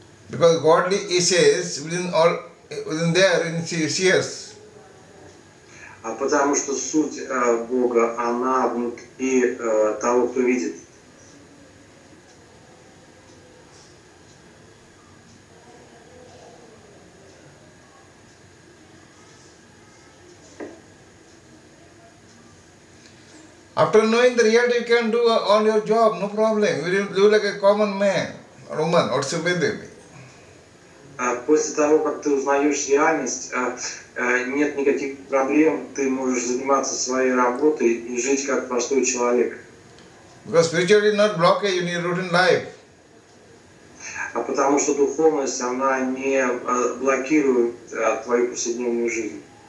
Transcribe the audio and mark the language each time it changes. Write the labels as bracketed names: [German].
[English] Because Godly is within all, within there, in CS. [Russian] А потому что суть Бога, она внутри того, кто видит. [English] After knowing the reality, you can do all your job, no problem. You will do like a common man, or woman, or Subhadevi. [Russian] После того, как ты узнаешь реальность, нет никаких проблем, ты можешь заниматься своей работой и жить как простой человек. [English] Because spirituality is not blockage, you need routine life. [Russian] А потому что духовность, она не блокирует твою повседневную жизнь.